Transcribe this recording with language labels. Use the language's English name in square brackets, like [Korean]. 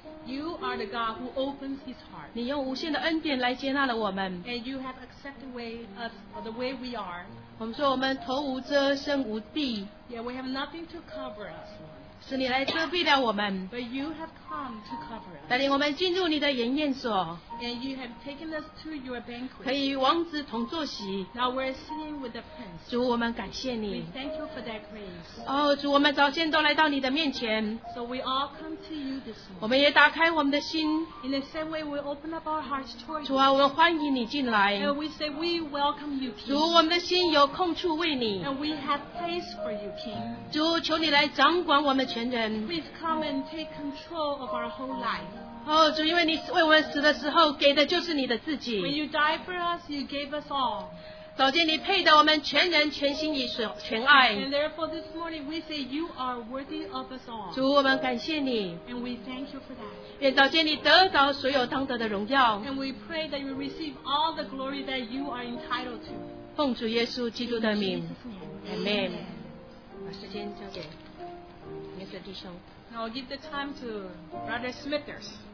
[English] You are the God who opens His heart. [Chinese] 你用无限的恩典来接纳了我们。 [English] And you have accepted way us the way we are. [Chinese] 我们说我们头无遮，身无蔽。 [English] Yeah, we have nothing to cover us. [Chinese] 是你来遮蔽了我们。 [English] But you have come to cover us. [Chinese] 带领我们进入你的筵宴所。 [English] And you have taken us to your banquet. [Chinese] 可以与王子同坐席。 [English] Now we're sitting with the prince. [Chinese] 主，我们感谢你。 [English] We thank you for that grace. [Chinese] 哦，主，我们早先都来到你的面前。 [English] So we all come to you this morning. [Chinese] 我们也打开我们的心。 [English] In the same way, we open up our hearts towards you. [Chinese] 主啊，我们欢迎你进来。 [English] And we say we welcome you, King. [Chinese] 主，我们的心有空处为你。 [English] And we have place for you, King. [Chinese] 主，求你来掌管我们全人。 [English] Please come and take control of our whole life. [Chinese] 哦，主，因为你为我们死的时候给的就是你的自己。 [English] When you died for us, you gave us all. [Chinese] 早今你配得我们全人全心以全爱。 [English] And therefore this morning we say you are worthy of us all. [Chinese] 主，我们感谢你。 [English] And we thank you for that. [Chinese] 愿早今你得到所有当得的荣耀。 [English] And we pray that you receive all the glory that you are entitled to. [Chinese] 奉主耶稣基督的名。 [English] Amen. [Chinese] Amen. 把时间交给您的弟兄。 [English] Now I'll give the time to Brother Smithers.